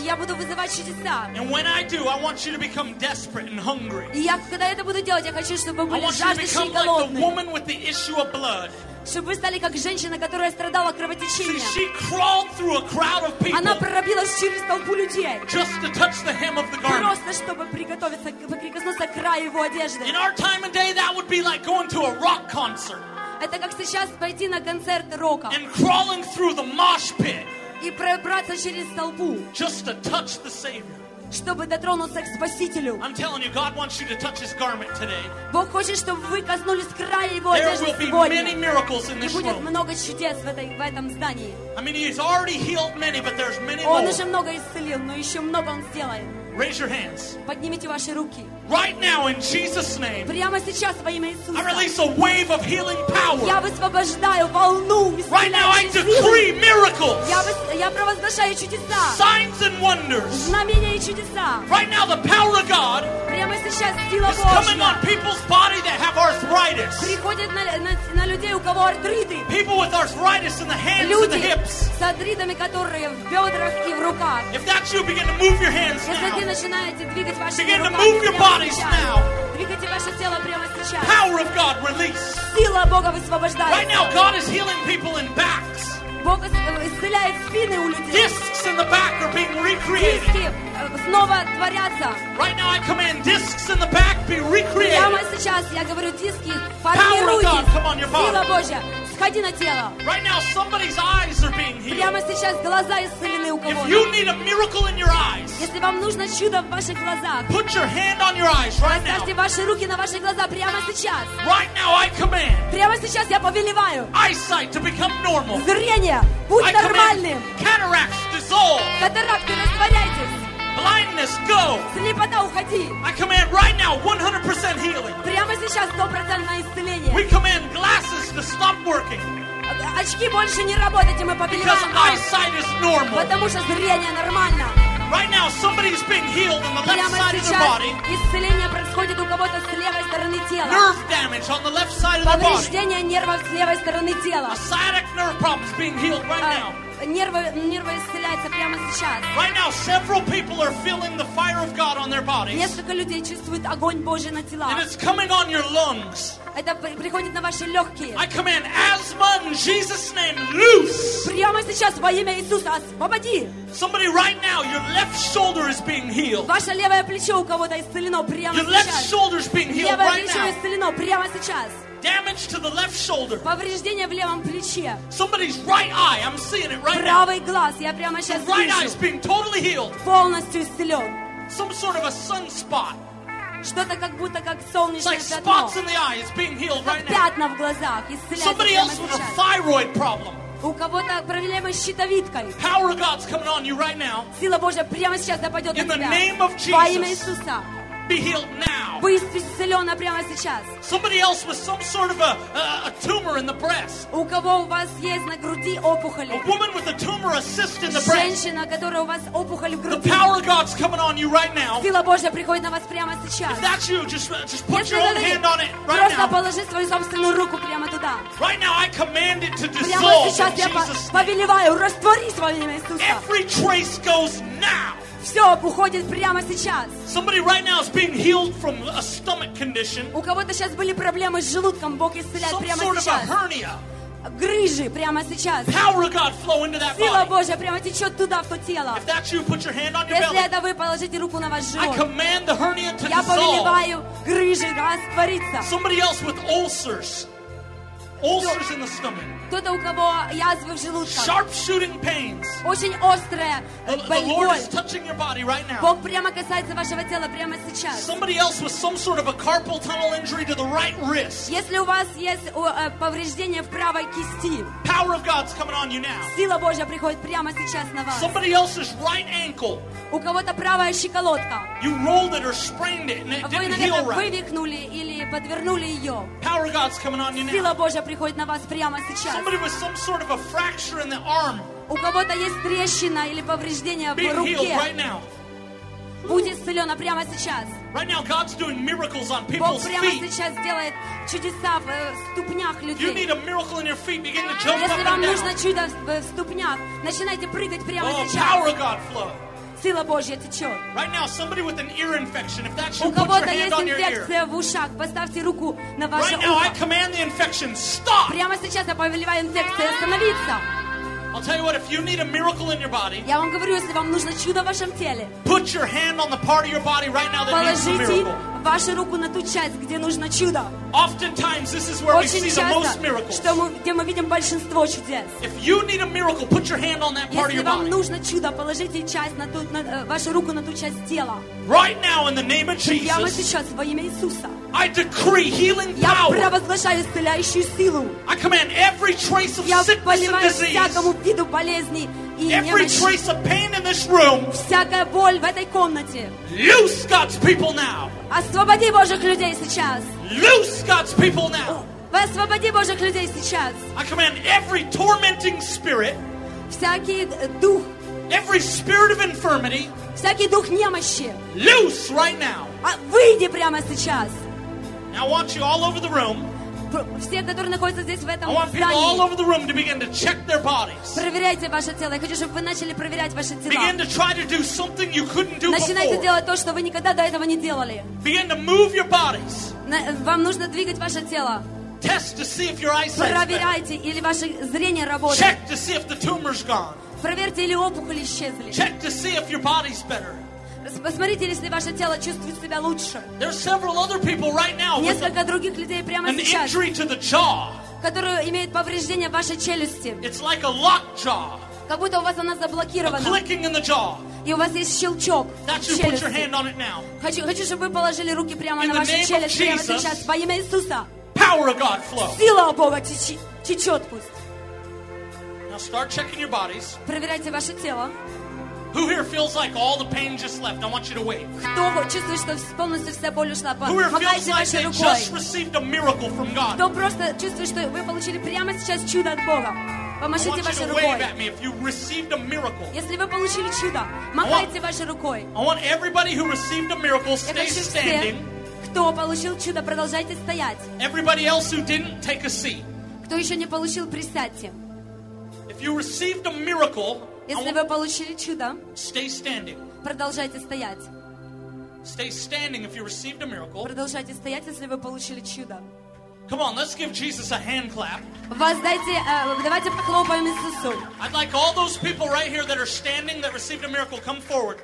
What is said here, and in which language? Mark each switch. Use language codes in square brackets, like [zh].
[ru] И я буду вызывать чудеса. И когда это буду делать, я хочу, чтобы вы были жаждущие и голодные. Чтобы вы стали как женщина, которая страдала кровотечением. Она прорабилась через толпу людей. Просто чтобы прикоснуться к краю его одежды. [en] In our time and day, that would be like going to a rock concert. [ru] Это как сейчас пойти на концерт рока. [en] And crawling through the mosh pit. [ru] И пробраться через толпу. [en] Just to touch the Savior. [ru] Чтобы дотронуться к Спасителю. [en] I'm telling you, God wants you to touch His garment today. [ru] Бог хочет, чтобы вы коснулись края Его одежды сегодня. [en] There will be many miracles in this room. [ru] И будет много чудес в этом здании. [en] I mean, He's already healed many, but there's many [ru] он [en] more. [ru] Он уже много исцелил, но еще много Он сделает. [en] Raise your hands. [ru] Поднимите ваши руки. [en] Right now, in Jesus' name. [ru] Прямо сейчас во имя Иисуса. [en] I release a wave of healing power. [ru] Я высвобождаю волну. [en] Right now, I decree miracles. [ru] Я провозглашаю чудеса. [en] Signs and wonders. [ru] Знамения и чудеса. [en] Right now, the power of God. [ru] Прямо сейчас сила Божья. [en] Is coming on people's body that have arthritis. [ru] Приходит на людей, у кого артриты. [en] People with arthritis in the hands and the hips. [ru] Люди с артритами, которые в бедрах и в руках. [en] If that's you, begin to move your hands now. [ru] Вы начинаете двигать ваши руками. [en] Begin to move your bodies now. [ru] Двигайте ваше тело прямо сейчас. [en] Power of God release. [ru] Сила Бога высвобождается. [en] Right now God is healing people in backs. [ru] Бог исцеляет спины у людей. [en] Discs in the back are being recreated. [ru] Диски снова творятся. [en] Right now I command discs in the back be recreated. [ru] Прямо сейчас я говорю, диски формируйтесь. Сила Божья. Сходи на тело. [en] Right now, somebody's eyes are being healed. [ru] Прямо сейчас глаза исцелены у кого-то. [en] If you need a miracle in your eyes, [ru] если вам нужно чудо в ваших глазах, [en] put your hand on your eyes right now. [ru] Поставьте ваши руки на ваши глаза прямо сейчас. [en] Right now, I command. [ru] Прямо сейчас я повелеваю. [en] Eyesight to become normal. [ru] Зрение, будь нормальным. [en] Cataracts dissolve. [ru] Катаракты растворяйтесь. [en] Blindness, go. [ru] Слепота, уходи. [en] I command right now 100% healing. [ru] Прямо сейчас 100% исцеление. [en] We command glasses to stop working. [ru] Очки больше не работать, и мы побеливаем. [en] Because eyesight is normal. [ru] Потому что зрение нормально. [en] Right now somebody is being healed on the left [ru] прямо [en] side [ru] сейчас [en] of their body. [ru] Исцеление происходит у кого-то с левой стороны тела. [en] Nerve damage on the left side of their body. [ru] Повреждение нервов с левой стороны тела. [en] A sciatic nerve problem is being healed right now. [ru] Нервы исцеляются прямо сейчас. [en] Right now, several people are feeling the fire of God on their bodies. [ru] Несколько людей чувствуют огонь Божий на телах. [en] And it's coming on your lungs. [ru] Это приходит на ваши легкие. [en] I command asthma in Jesus' name, loose. [ru] Прямо сейчас во имя Иисуса освободи. [en] Somebody right now, your left shoulder is being healed. [ru] Ваше левое плечо у кого-то исцелено прямо сейчас. [en] Your left shoulder is being healed right now. [ru] Левое плечо исцелено прямо сейчас. [en] Damage to the left shoulder. [ru] Повреждение в левом плече. [en] Somebody's right eye. I'm seeing it right [ru] правый [en] now. [ru] Глаз. Я прямо сейчас вижу. [en] Right eye is being totally healed. [ru] Полностью исцелен. [en] some sort of a sunspot. [ru] Что-то как будто как солнечное пятно. [en] Like spots in the eye, it's being healed right now. [ru] Пятна в глазах, исцеляется. [en] Somebody else with a thyroid problem. [ru] У кого-то проблемы с щитовидкой. [en] Power of God's coming on you right now. [ru] Сила Божья прямо сейчас нападет на тебя. [en] In the name of Jesus. [ru] Во имя Иисуса. [en] Be healed now. [ru] Вы исцелены прямо сейчас. [en] Somebody else with some sort of a tumor in the breast. [ru] У кого у вас есть на груди опухоль? [en] A woman with a tumor, a cyst in the breast. [ru] Женщина, которая у вас опухоль в груди. [en] The power of God's coming on you right now. [ru] Сила Божья приходит на вас прямо сейчас. [en] If that's you, just put your own hand on it right now. [ru] Просто положи свою собственную руку прямо туда. [en] Right now, I command it to dissolve. [ru] Прямо сейчас я повелеваю, растворись во имя Иисуса. [en] Every trace goes now. [ru] Все уходит прямо сейчас. [en] Somebody right now is being healed from a stomach condition. [ru] У кого-то сейчас были проблемы с желудком, Бог исцеляет прямо сейчас. [en] Some sort of a hernia. [ru] Грыжи прямо сейчас. [en] Power of God flow into that body. [ru] Сила Божья прямо течет туда, в то тело. [en] If that's you, put your hand on your [ru] Если [en] belly. [ru] Если это вы, положите руку на ваш живот. [en] I command the hernia to [ru] Я повелеваю грыжи раствориться. [en] Somebody else with ulcers. Ulcers in the stomach. [ru] Кто-то, у кого язвы в желудках. [en] Sharp shooting pains. [ru] Очень острая боль. [en] The Lord is touching your body right now. [ru] Бог прямо касается вашего тела прямо сейчас. [en] Somebody else with some sort of a carpal tunnel injury to the right wrist. [ru] Если у вас есть повреждение в правой кисти. [en] Power of God's coming on you now. [ru] Сила Божья приходит прямо сейчас на вас. [en] Somebody else's right ankle. [ru] У кого-то правая щиколотка. [en] You rolled it or sprained it and it [ru] Вы, [en] didn't heal right. [ru] Вы вывихнули или подвернули ее. [en] Power of God's coming on you now. [ru] Сила Божья приходит на вас прямо сейчас. [en] Somebody with some sort of a fracture in the arm. [ru] У кого-то есть трещина или повреждение в руке. [en] Be healed right now. [ru] Будь исцелена прямо сейчас. [en] Right now God's doing miracles on people's feet. [ru] Бог прямо сейчас делает чудеса в ступнях людей. [en] You need a miracle in your feet. Begin to jump up and down. [ru] Если вам нужно чудо в ступнях, начинайте прыгать прямо сейчас. [en] Oh, power of God flow. [ru] Сила Божья течет. [en] Right now, somebody with an ear infection, if that's you, [ru] У кого-то есть инфекция в ушах, поставьте руку на ваше [en] right [ru] ухо. [en] Now, I command the infection, stop. [ru] Прямо сейчас я повелеваю инфекции остановиться. [en] I'll tell you what, if you need a miracle in your body, [ru] я вам говорю, если вам нужно чудо в вашем теле, [en] put your hand on the part of your body right now that needs a miracle. [ru] Положите вашу руку на ту часть, где нужно чудо. [en] Oftentimes, this is where [ru] Очень [en] we see [ru] часто, [en] the most miracles. [ru] Что мы, где мы видим большинство чудес. [en] If you need a miracle, put your hand on that part [ru] если [en] of your body. [ru] Если вам нужно чудо, положите часть на ту, на, вашу руку на ту часть тела. [en] Right now, in the name of Jesus. [ru] Прямо сейчас во имя Иисуса. [en] I decree healing power. [ru] Я провозглашаю исцеляющую силу. [en] I command every trace of sickness and disease. [ru] Я повелеваю всякому виду болезни. [en] Every trace of pain in this room. [ru] Всякая боль в этой комнате. [en] Loose God's people now. [ru] Освободи Божьих людей сейчас. [en] Loose God's people now. [ru] Освободи Божьих людей сейчас. [en] I command every tormenting spirit. [ru] Всякий дух. [en] Every spirit of infirmity. [ru] Всякий дух немощи. [en] Loose right now. [ru] Выйди прямо сейчас. [en] Now I want you all over the room. [ru] Все, которые находятся здесь, в этом здании, проверяйте ваше тело. Я хочу, чтобы вы начали проверять ваши тела. [en] Begin to try to do something you couldn't do [ru] Начинайте [en] before. [ru] Делать то, что вы никогда до этого не делали. [en] Begin to move your bodies. [ru] Вам нужно двигать ваше тело. [en] Test to see if your eyesight's better. [ru] Проверяйте, или ваше зрение работает. [en] Check to see if the tumor's gone. [ru] Проверьте, или опухоли исчезли. [en] Check to see if your body's better. [ru] Посмотрите, если ваше тело чувствует себя лучше. [en] There's several other people right now [ru] Несколько других людей прямо [en] an [ru] сейчас, [en] injury to the jaw. [ru] Которые имеют повреждение в вашей челюсти. [en] It's like a lock jaw. [ru] Как будто у вас она заблокирована. [en] A clicking in the jaw. [ru] И у вас есть щелчок [en] That's [ru] в челюсти. [en] Put your hand on it now. [ru] Хочу, чтобы вы положили руки прямо [en] in [ru] на вашу челюсть прямо сейчас. Во имя Иисуса. [en] Power of God flow. [ru] Сила Бога течет пусть. [en] Now start checking your bodies. [ru] Проверяйте ваше тело. [en] Who here feels like all the pain just left? I want you to wave. [ru] Кто чувствует, что полностью вся боль ушла? [en] Who here feels like they just received a miracle from God? [ru] Кто просто чувствует, что вы получили прямо сейчас чудо от Бога? Помашите вашей рукой. [en] I want you to wave at me if you received a miracle. [ru] Если вы получили чудо, махайте вашей рукой. [en] I want everybody who received a miracle stay standing. [ru] Кто получил чудо, продолжайте стоять. [en] Everybody else who didn't take a seat. [ru] Кто еще не получил, присядьте. [en] If you received a miracle. [ru] Если вы получили чудо, [en] stay standing. [ru] Продолжайте стоять. [en] Stay standing if you received a miracle. [ru] Продолжайте стоять, если вы получили чудо. [en] Come on, let's give Jesus a hand clap. [ru] Воздайте, давайте похлопаем Иисусу. [en] I'd like all those people right here that are standing that received a miracle, come forward.